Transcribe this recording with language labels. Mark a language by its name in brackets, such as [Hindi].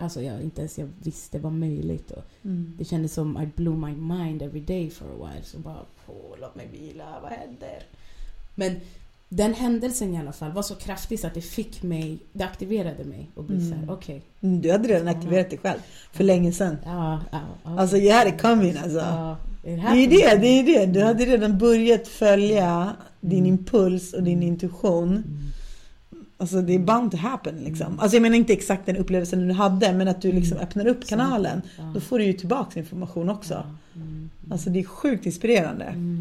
[Swedish] Alltså jag inte ens jag visste det var möjligt. Och det kändes som [English] I blew my mind every day for a while. [Swedish] Så bara, låt mig vila, vad händer? Men den händelsen i alla fall var så kraftig så att det fick mig, det aktiverade mig och blev så här, okej. Okay. Du hade redan aktiverat dig själv för länge sedan. Ja. Alltså [English] you had it coming [Swedish] alltså. Det är det. Du hade redan börjat följa din impuls och din intuition. Alltså det är [English] bound to happen [Swedish] liksom. Alltså jag menar inte exakt den upplevelsen du hade, men att du liksom öppnar upp kanalen, då får du ju tillbaka information också. Alltså det är sjukt inspirerande.